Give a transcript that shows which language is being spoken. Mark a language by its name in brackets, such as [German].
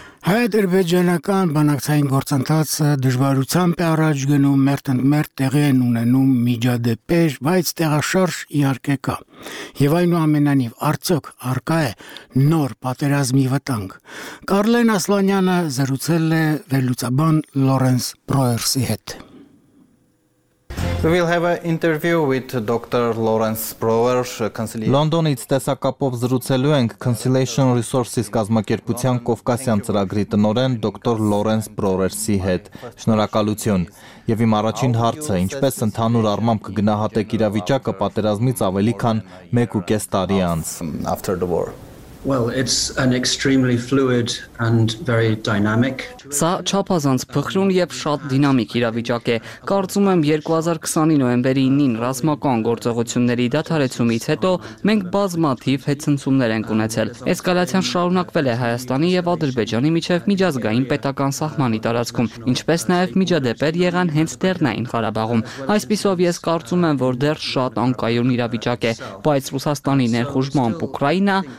[Armenian] Ադրբեջանական բանակցային գործընթացը դժվարությամբ է առաջ գնում, մերտ-ընդմերտ տեղի են ունենում միջադեպեր, բայց տեղաշարժ իհարկե կա։ Եվ այնուամենայնիվ արդյոք առկա է նոր պատերազմի վտանգ։ Կարլեն Ասլանյանը զրուցել է վերլուծաբան Լորենս Պրոերսի հետ։ [English] We will have an interview with Dr. Lawrence Brower, Conciliation. [Armenian] Լոնդոնից տեսակապով զրուցելու ենք Conciliation Resources կազմակերպության Կովկասյան ծրագրի տնօրեն Dr. Lawrence Brower-սի հետ։ Շնորհակալություն։ Եվ իմ առաջին հարցը, ինչպես ընդհանուր առմամբ կգնահատեք իրավիճակը պատերազմից ավելի քան 1.5 տարի անց։ [English] After the war. Well, it's an extremely fluid and very dynamic. [Armenian] Սա չափազանց փխրուն եւ շատ դինամիկ իրավիճակ է։ Կարծում եմ 2020-ի նոյեմբերի 9-ին ռազմական գործողությունների դադարեցումից հետո մենք բազմաթիվ հետցնցումներ ենք ունեցել։ Էսկալացիան շարունակվել է Հայաստանի եւ Ադրբեջանի միջև միջազգային պետական սահմանի տարածքում, ինչպես նաեւ միջադեպեր եղան հենց Տերնային Ղարաբաղում։ Այսպիսով ես կարծում եմ, որ դեռ շատ անկայուն իրավիճակ է, բայց Ռուսաստանի ներխուժմամբ Ուկրաինա